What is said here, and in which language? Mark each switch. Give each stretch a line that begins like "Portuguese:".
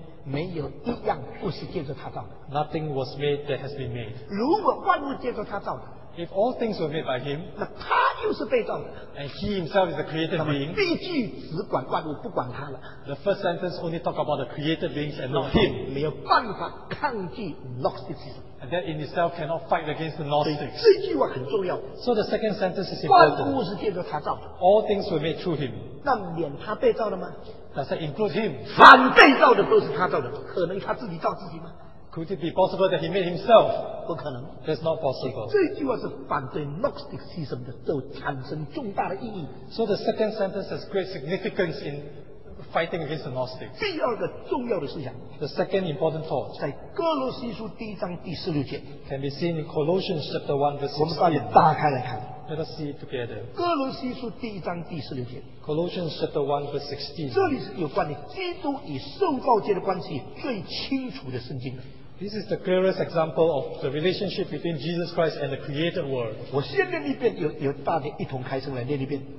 Chinese: 没有一样不是借着他造的,
English: nothing was made that has been made.
Chinese: 如果万物借着他造的,
English: if all things were made by him,
Chinese: 那他又是被造的,
English: and he himself is the created being,
Chinese: 第一句只管万物不管他了,
English: the first sentence only talk about the created beings and not him.
Chinese: 没有办法抗拒Gnosticism.
English: And that in itself cannot fight against the Gnostics.
Chinese: 这句话很重要。
English: So the second sentence is important. All things were made through him.
Chinese: 那免他被造的吗?
English: Does that include him?
Chinese: 反被造的都是他造的。可能他自己造自己吗?
English: Could it be possible that he made himself?
Chinese: 不可能.
English: That's not possible.
Chinese: 这句话是反对Gnosticism的，都产生重大的意义。
English: So the second sentence has great significance in fighting against the Gnostics.
Chinese: 第二个重要的思想,
English: the second important thought,
Chinese: 在哥罗西书第一章第十六节,
English: can be seen in Colossians chapter 1 verse 16.
Chinese: 我们把它打开来看。
English: Let us see it together.
Chinese: 哥罗西书第一章第十六节,
English: Colossians chapter 1 verse 16.
Chinese: 这里是有关于基督与受造界的关系最清楚的圣经。
English: This is the clearest example of the relationship between Jesus Christ and the created world.
Chinese: 我先念一遍，有大家一同开声来念一遍。